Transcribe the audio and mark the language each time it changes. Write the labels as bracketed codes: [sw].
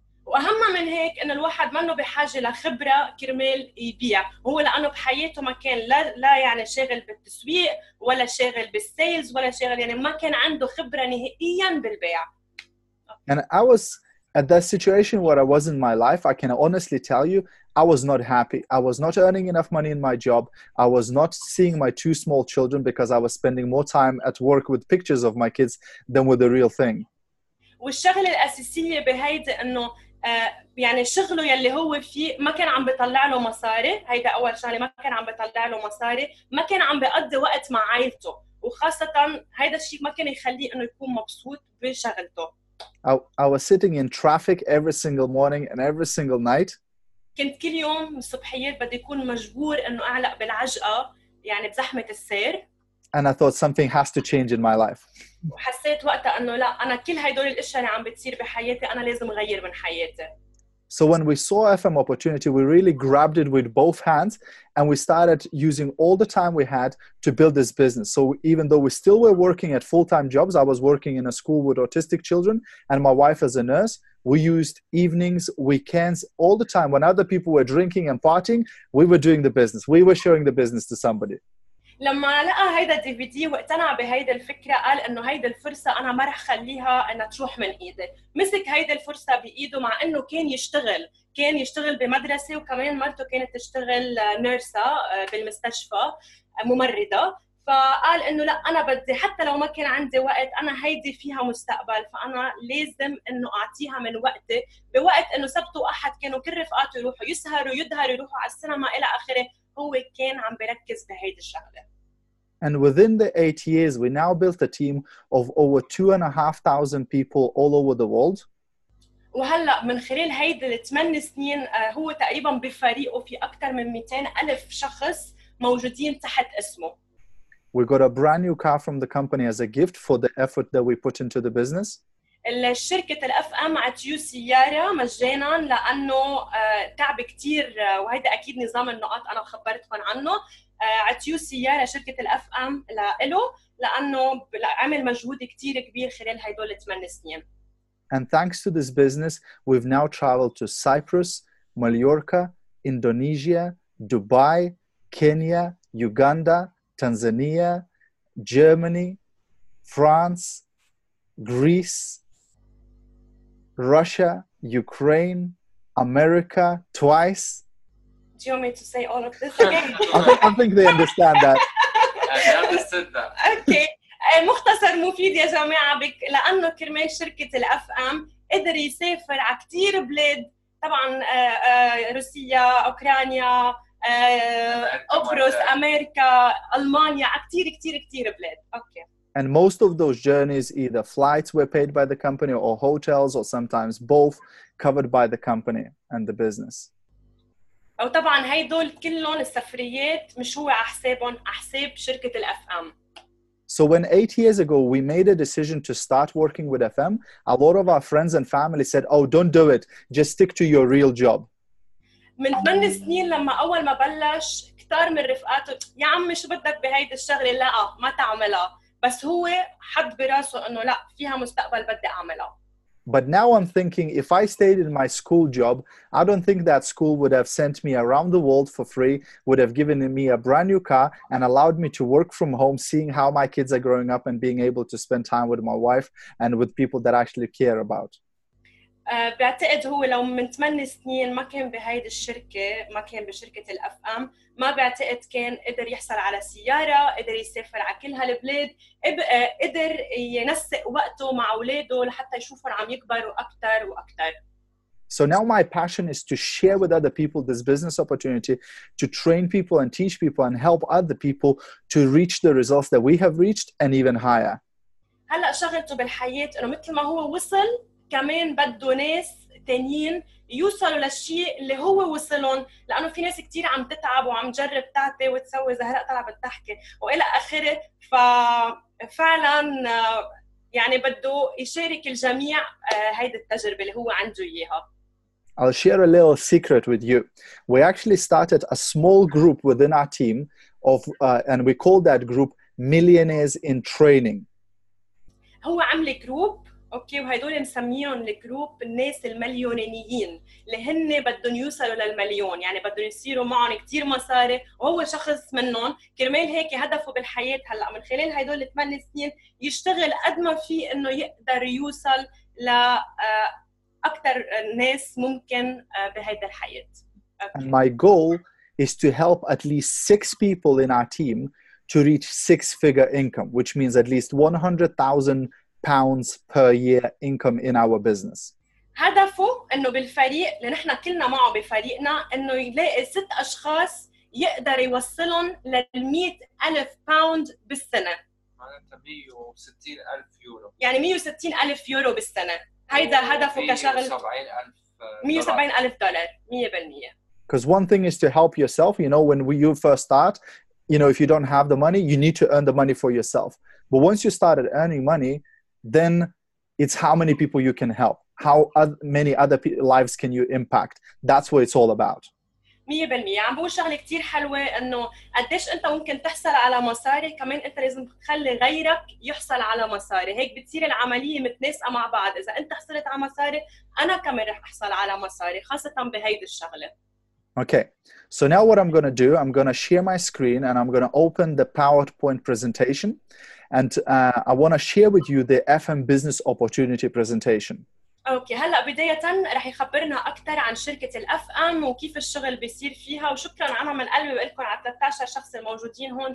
[ar] واهم من هيك انه الواحد ما انه بحاجه لخبره كرمال يبيع، هو لانه بحياته ما كان لا يعني شاغل بالتسويق ولا شاغل بالسيلز ولا شاغل يعني ما كان عنده خبره نهائيا بالبيع. [en] And I was at that situation where I was in my life, I can honestly tell you, I was not happy. I was not earning enough money in my job. I was not seeing my two small children because I was spending more time at work with pictures of my kids than with the real thing. [ar] والشغلة الأساسية بهيدا أنه يعني شغله يلي هو فيه ما كان عم بيطلع له مصاري. هيدا أول شغلة ما كان عم بيطلع له مصاري. ما كان عم بيقضي وقت مع عائلته. وخاصة هيدا الشيء ما كان يخليه أنه يكون مبسوط بشغلته. [en] I was sitting in traffic every single morning and every single night. [ar] كنت كل يوم الصبحيات بدي يكون مجبور انه اعلق بالعجقه يعني بزحمه السير. [en] And I thought something has to change in my life. [ar] وحسيت وقتها انه لا انا كل هدول الاشياء اللي عم بتصير بحياتي انا لازم اغير من حياتي. [en] So when we saw FM opportunity, we really grabbed it with both hands and we started using all the time we had to build this business. So even though we still were working at full-time jobs, I was working in a school with autistic children and my wife as a nurse, we used evenings, weekends, all the time. When other people were drinking and partying, we were doing the business. We were sharing the business to somebody. [ar] لما لقى هيدا الدي في دي واقتنع بهيدا الفكره قال انه هيدا الفرصه انا ما رح خليها انها تروح من ايدي. مسك هيدا الفرصه بايده مع انه كان يشتغل بمدرسه وكمان مرته كانت تشتغل نيرسا بالمستشفى ممرضه. فقال انه لا انا بدي حتى لو ما كان عندي وقت انا هيدي فيها مستقبل فانا لازم انه اعطيها من وقتي بوقت انه سبت واحد كانوا كل رفقاته يروحوا يسهروا يدهروا يروحوا على السينما الى اخره. هو كان عم بيركز بهيدي الشغله. [en] And within the 8 years we now built a team of over 2,500 people all over the world. [ar] وهلا من خلال هيدي الثمان سنين هو تقريبا بفريقه في اكثر من 200,000 شخص موجودين تحت اسمه. [en] We got a brand new car from the company as a gift for the effort that we put into the business. [ar] الشركة الاف ام عطيو سيارة مجانا لانه تعب كتير وهيدا اكيد نظام النقاط انا خبرتكم عنه. عطيو سيارة شركة الاف ام لإله لانه عمل مجهود كتير كبير خلال هيدول 8 سنين. [en] And thanks to this business, we've now traveled to Cyprus, Mallorca, Indonesia, Dubai, Kenya, Uganda, Tanzania, Germany, France, Greece, Russia, Ukraine, America, twice. Do you want me to say all of this again? I think they understand that. I understood that. Okay. [ar] مختصر مفيد يا جماعة لأنه كرمال شركة الأف أم قدر يسافر على كتير بلاد طبعاً روسيا، أوكرانيا، قبرص، أمريكا، ألمانيا، كتير كتير كتير بلاد. [en] Okay. And most of those journeys, either flights were paid by the company or hotels or sometimes both covered by the company and the business. [ar] أو طبعاً هيدول كلهم السفريات مش هو أحسابهم أحساب شركة الأف أم. [en] So when 8 years ago we made a decision to start working with FM, a lot of our friends and family said, oh, don't do it. Just stick to your real job. [ar] من 8 سنين لما أول ما بلش كتار من رفقاته يا عمي شو بدك بهيدي الشغلة لا ما تعملها. بس هو حد براسه انه لا فيها مستقبل بدي اعملها. [en] But now I'm thinking if I stayed in my school job, I don't think that school would have sent me around the world for free, would have given me a brand new car and allowed me to work from home, seeing how my kids are growing up and being able to spend time with my wife and with people that I actually care about. [ar] بعتقد هو لو من 8 سنين ما كان بهيد الشركة، ما كان بشركة الأف أم، ما بعتقد كان قدر يحصل على سيارة، قدر يسافر على كل هالبلاد، قدر ينسق وقته مع أولاده لحتى يشوفهم عم يكبروا أكتر وأكتر. [en] So now my passion is to share with other people this business opportunity, to train people and teach people and help other people to reach the results that we have reached and even higher. [ar] هلا شغلته بالحياة إنه مثل ما هو وصل كمان بده ناس تانيين يوصلوا للشيء اللي هو وصلهم، لأنه في ناس كتير عم تتعب وعم تجرب تعطي وتسوي زهرة طلب تحكي وإلى آخره. ففعلا يعني بده يشارك الجميع هيدا التجربة اللي هو عنده إياها. [en] I'll share a little secret with you. We actually started a small group within our team of and we call that group Millionaires in Training. [ar] هو عمل جروب اوكي وهدول مسميهم الجروب الناس المليونينيين اللي هن بدهم يوصلوا للمليون، يعني بدهم يصيروا معهم كثير مصاري، وهو شخص منهم كرمال هيك هدفه بالحياة هلا من خلال هدول 8 سنين يشتغل قد ما في انه يقدر يوصل ل اكثر ناس ممكن بهيدا الحياة. [en] And my goal is to help at least 6 people in our team to reach 6-figure income, which means at least 100,000 pounds per year income in our business. [ar] هدفه انه بالفريق اللي نحن كلنا معه بفريقنا انه يلاقي 6 اشخاص يقدر يوصلهم لل 100,000 باوند بالسنه. معناتها 160,000 يورو. يعني 160,000 يورو بالسنه. هيدا هدفه كشغل 170,000 دولار 100%. [en] Because one thing is to help yourself, you know, when you first start, you know, if you don't have the money, you need to earn the money for yourself. But once you started earning money, then it's how many people you can help. How many other lives can you impact? That's what it's all about. 100%. [ar] عم بقول شغلة كتير حلوة إنه قديش أنت ممكن تحصل على مصاري، كمان أنت لازم تخلي غيرك يحصل على مصاري. هيك بتصير العملية متناسقة مع بعض. إذا أنت حصلت على مصاري، أنا كمان رح أحصل على مصاري، خاصة بهيدي الشغلة. [en] Okay. So now what I'm going to do, I'm going to share my screen and I'm going to open the PowerPoint presentation. And I want to share with you the FM business opportunity presentation. Okay. [ar] هلا بداية رح يخبرنا أكثر عن شركة الأف أم وكيف الشغل بيصير فيها. وشكرا أنا من قلبي بقلكم على 13 شخص الموجودين هون.